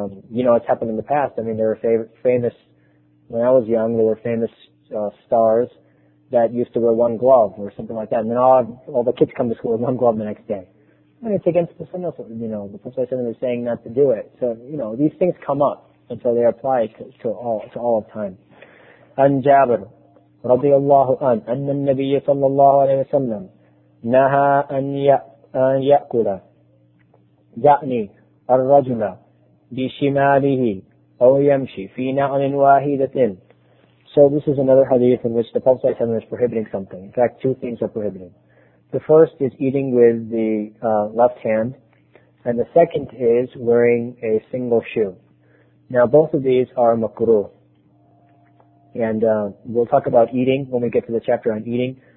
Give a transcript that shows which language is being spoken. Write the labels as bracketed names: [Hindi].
[English] You know, it's happened in the past. I mean, there were famous, when I was young, there were famous stars that used to wear one glove or something like that. And then all the kids come to school with one glove the next day. And it's against the sunnah, you know, the Prophet ﷺ is saying not to do it. So, you know, these things come up and so they apply to all of time. [Arabic] An Jabir رضي الله عنه أن النبي صلى الله عليه وسلم نهى أن يأكل يعني الرجل بشماله أو يمشي في نعل واحدة. [English] So this is another hadith in which the Prophet ﷺ is prohibiting something. In fact, two things are prohibited. The first is eating with the left hand, and the second is wearing a single shoe. Now both of these are makruh. And we'll talk about eating when we get to the chapter on eating.